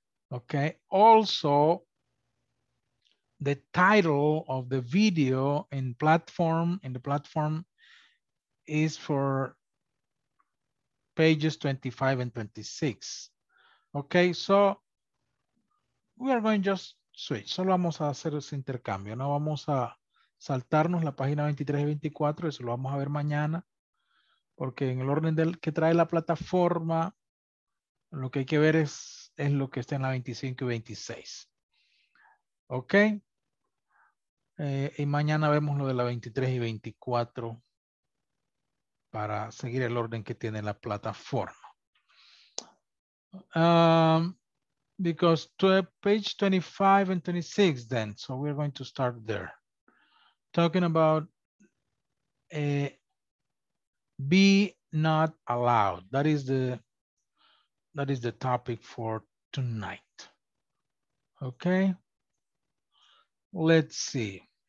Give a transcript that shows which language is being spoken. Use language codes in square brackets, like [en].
[en] Okay, also the title of the video in platform, in the platform, is for pages 25 and 26. Okay, so we are going just switch. [es] Solo vamos a hacer ese intercambio, no vamos a saltarnos la página 23 y 24, eso lo vamos a ver mañana, porque en el orden del que trae la plataforma, lo que hay que ver es lo que está en la 25 y 26. Ok. Y mañana vemos lo de la 23 y 24 para seguir el orden que tiene la plataforma. [en] Because to page 25 and 26 then, so we're going to start there. Talking about be not allowed. That is the topic for tonight. Okay. Let's see.